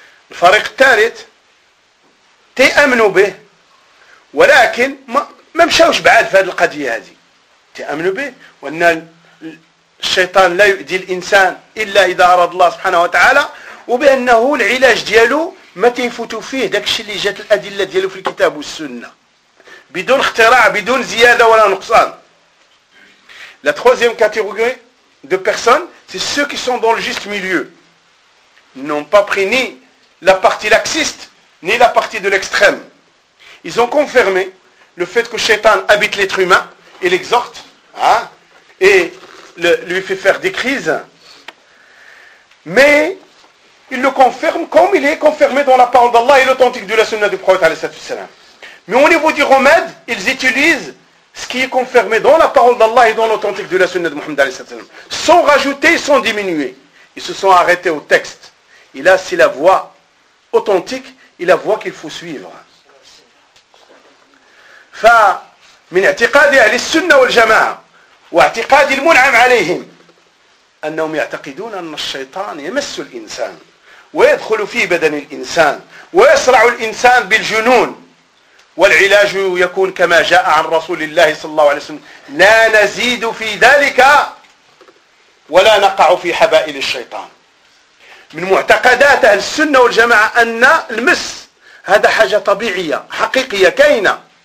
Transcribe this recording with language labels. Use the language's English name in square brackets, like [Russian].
[Arabic] الفريق الثالث تيأمنوا به ولكن ما مشاوش بعاد في هذه القضية هذه تيأمنوا به وأن الشيطان لا يؤذي الإنسان إلا إذا أراد الله سبحانه وتعالى وبأنه العلاج ديالو ما تيفوتوا فيه داك الشيء اللي جات الأدلة ديالو في الكتاب والسنة بدون اختراع بدون زيادة ولا نقصان لا ثالثة كاتيغوري [French] de personnes, c'est ceux qui sont dans le juste milieu. Ils n'ont pas pris ni la partie laxiste, ni la partie de l'extrême. Ils ont confirmé le fait que Shaitan habite l'être humain et l'exhorte, hein, et lui fait faire des crises. Mais ils le confirment comme il est confirmé dans la parole d'Allah et l'authentique de la sunna du prophète. Mais au niveau du remède, ils utilisent ce qui est confirmé dans la parole d'Allah et dans l'authentique de la sunna de Muhammad alayhi sallam, sont rajoutés, sont diminués. Ils se sont arrêtés au texte. Et là, c'est la voie authentique et la voie qu'il faut suivre. [Arabic] Fa min i'tiqadi ahli sunna wal jama'a wa i'tiqadi al-mun'am 'alayhim annahum ya'taqiduna anna ash-shaytan yamassu al-insan wa yadkhulu fi badani al-insan wa yasra'u al-insan bil-junun والعلاج يكون كما جاء عن رسول الله صلى الله عليه وسلم لا نزيد في ذلك ولا نقع في حبائل الشيطان من معتقدات أهل السنة والجماعة أن المس هذا حاجة طبيعية حقيقية كاينة